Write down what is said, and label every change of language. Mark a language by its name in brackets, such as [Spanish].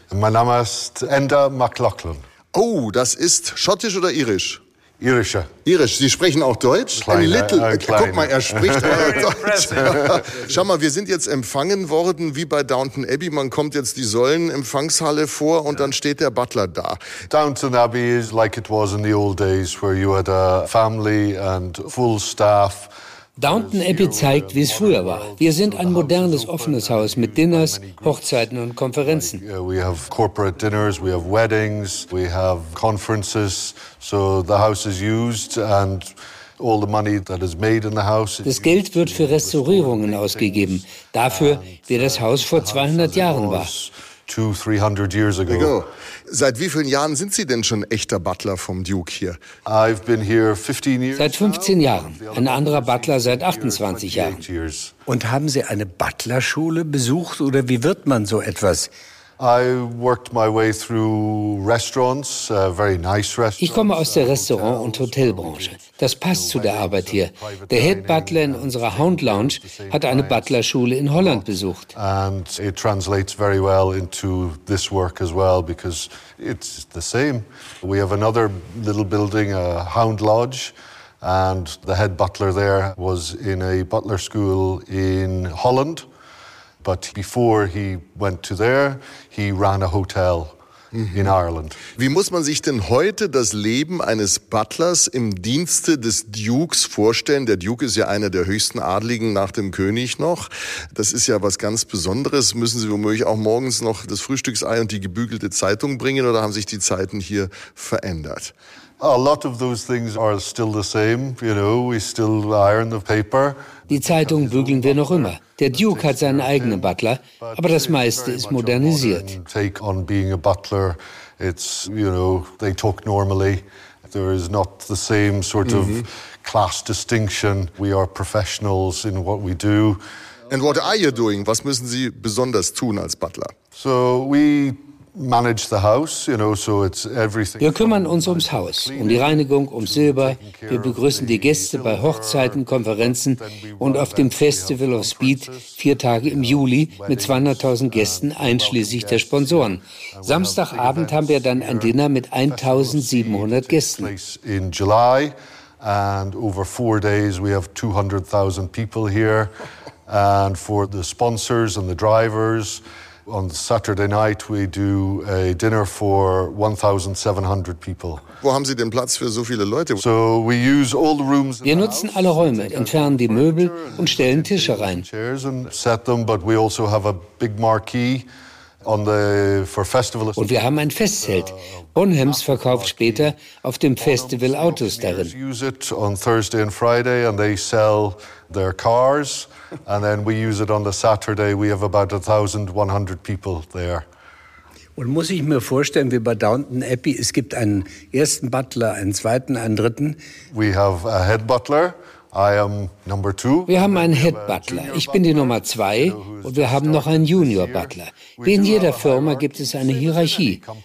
[German] Mein Name ist Enter McLaughlin. Oh, das ist schottisch oder irisch? Irischer. Irisch. Sie sprechen auch Deutsch? Kleine, ein Little. Kleine. Guck mal, er spricht Deutsch. Schau mal, wir sind jetzt empfangen worden wie bei Downton Abbey. Man kommt jetzt die Säulenempfangshalle vor und dann steht der Butler da. [English] Downton Abbey is like it was in the old days where you had a family and full staff. [German] Downton Abbey zeigt, wie es früher war. Wir sind ein modernes, offenes Haus mit Dinners, Hochzeiten und Konferenzen. [English] We have corporate dinners, we have weddings, we have conferences. So the house is used and all the money that is made in the house. [German] Das Geld wird für Restaurierungen ausgegeben, dafür, wie das Haus vor 200 Jahren war. [English] 200-300 years ago. Go. [German] Seit wie vielen Jahren sind Sie denn schon echter Butler vom Duke hier? [English] I've been here 15 years. [German] Seit 15 Jahren. Ein anderer Butler seit 28 Jahren. Und haben Sie eine Butlerschule besucht oder wie wird man so etwas? [English] I worked my way through restaurants, very nice restaurants. [German] Ich komme aus der Restaurant- und Hotelbranche. Das passt zu der Arbeit hier. Der Head Butler in unserer Hound Lounge hat eine Butlerschule in Holland besucht. [English] And it translates very well into this work as well because it's the same. We have another little building, a Hound Lodge, and the Head Butler there was in a butler school in Holland. But before he went to there, he ran a hotel in Ireland. [German] Wie muss man sich denn heute das Leben eines Butlers im Dienste des Dukes vorstellen? Der Duke ist ja einer der höchsten Adligen nach dem König noch. Das ist ja was ganz Besonderes. Müssen Sie womöglich auch morgens noch das Frühstücksei und die gebügelte Zeitung bringen oder haben sich die Zeiten hier verändert? [English] A lot of those things are still the same, you know, we still iron the paper. [German] Die Zeitung bügeln wir noch immer. Der Duke hat seinen eigenen Butler, aber das meiste ist modernisiert. [English] Take on being a butler, it's, you know, they talk normally. There is not the same sort of class distinction. We are professionals in what we do. And what are you doing? [German] Was müssen Sie besonders tun als Butler? [English] So we manage the house, you know, so it's everything. [German] Wir kümmern uns ums Haus, um die Reinigung, um Silber. Wir begrüßen die Gäste bei Hochzeiten, Konferenzen und auf dem Festival of Speed 4 Tage im Juli mit 200.000 Gästen, einschließlich der Sponsoren. Samstagabend haben wir dann ein Dinner mit 1.700 Gästen. [English] In July and over 4 days we have 200.000 people here and for the sponsors and the drivers. On Saturday night we do a dinner for 1,700 people. [German] Wo haben Sie den Platz für so viele Leute? [English] So we use all the rooms. [German] Wir nutzen alle Räume, entfernen die Möbel und stellen Tische rein. [English] Chairs and set them, but we also have a big marquee on the for festival. [German] Und wir haben ein Festzelt. Bonhams verkauft später auf dem Festival Autos darin. [English] They use it on Thursday and Friday, and they sell their cars. And then we use it on the Saturday. We have about 1,100 people there. [German] Und muss ich mir vorstellen, wie bei Downton Abbey, es gibt einen ersten Butler, einen zweiten, einen dritten. [English] We have a head butler. I am number two. [German] Wir haben einen Head Butler. Ich bin die Nummer zwei. Und wir haben noch einen Junior Butler. Wie in jeder Firma gibt es eine Hierarchie.